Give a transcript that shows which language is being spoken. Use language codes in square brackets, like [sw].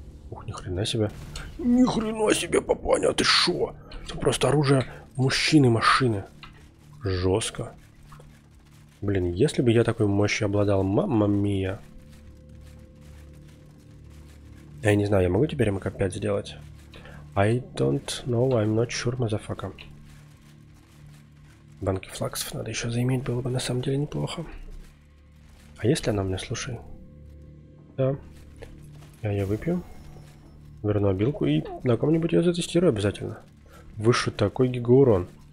[ru] Ух, ни хрена себе. Ни хрена себе, папаня, ты шо? Это просто оружие мужчины-машины. Жестко. Блин, если бы я такой мощью обладал, мама мия. Я не знаю, я могу теперь ему опять сделать? [en] I don't know, I'm not sure, мазафака. [ru] Банки флаксов надо еще заиметь, было бы на самом деле неплохо. А если она мне, слушай? Да. Я ее выпью. Верну обилку и на ком-нибудь ее затестирую обязательно. Выше такой гигаурон.